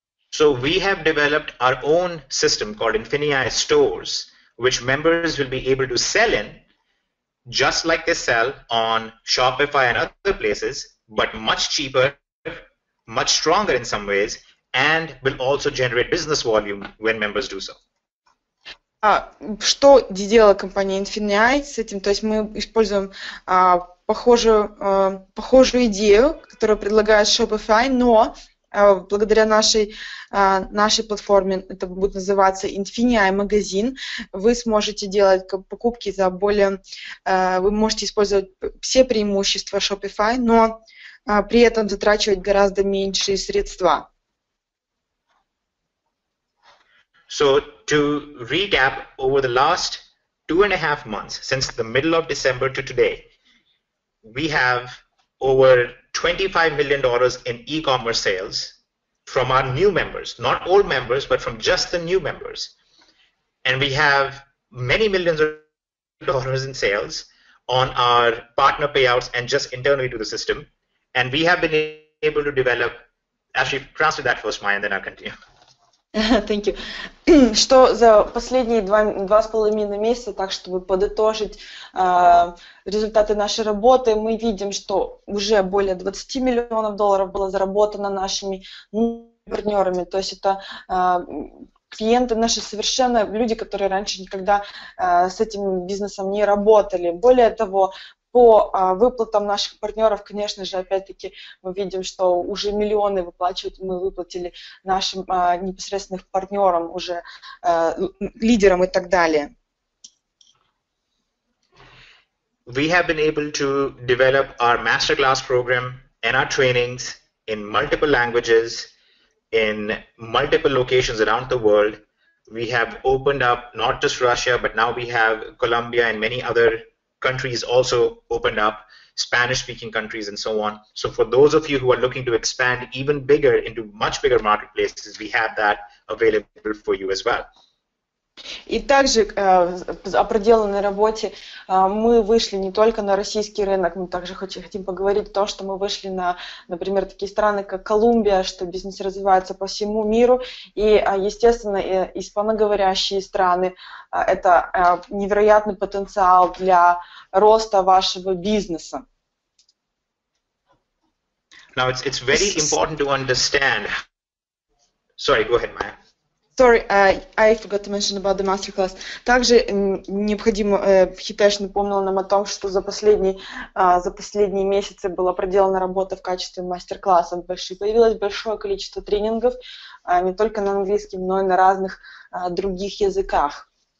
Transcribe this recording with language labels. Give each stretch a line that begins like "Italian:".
English: So we have developed our own system called Infinii Stores, which members will be able to sell in, just like they sell on Shopify and other places, but much cheaper, much stronger in some ways, and will also generate business volume when members do so.
Russian: Что сделала компания Infinii с этим? То есть мы используем похожую идею, которую предлагает Shopify, но благодаря нашей платформе, это будет называться Infinii магазин, вы сможете делать покупки за более... вы можете использовать все преимущества Shopify, но при этом затрачивать гораздо меньшие средства.
English: So to recap, over the last 2.5 months, since the middle of December to today, we have over $25 million in e-commerce sales from our new members, not old members, but from just the new members. And we have many millions of dollars in sales on our partner payouts and just internally to the system. And we have been able to develop, actually translate that first, Maya, and then I'll continue. Thank you.
Russian: Что за последние два с половиной месяца, так чтобы подытожить результаты нашей работы, мы видим, что уже более 20 миллионов долларов было заработано нашими партнерами. То есть это клиенты наши совершенно, люди, которые раньше никогда с этим бизнесом не работали. Более того, по выплатам наших партнеров, конечно же, опять-таки, мы видим, что уже миллионы выплатили нашим непосредственным партнерам, уже лидерам и так далее.
English: We have been able to develop our masterclass program and our trainings in multiple languages, in multiple locations around the world. We have opened up not just Russia, but now we have Colombia and many other countries also opened up, Spanish-speaking countries and so on. So for those of you who are looking to expand even bigger into much bigger marketplaces, we have that available for you as well. И также о проделанной работе мы вышли не только на российский рынок, мы также хотим поговорить о том, что мы вышли на, например, такие страны, как Колумбия, что бизнес развивается по всему миру, и, естественно, испаноговорящие страны – это невероятный потенциал для роста вашего бизнеса. Now it's very important to understand. Sorry, go ahead, Maya. Sorry, I forgot to mention about the masterclass.
Russian: Также необходимо, Хитеш напомнил нам о том, что за последние месяцы была проделана работа в качестве мастер-класса. Появилось большое количество тренингов, не только на английском, но и на разных других языках.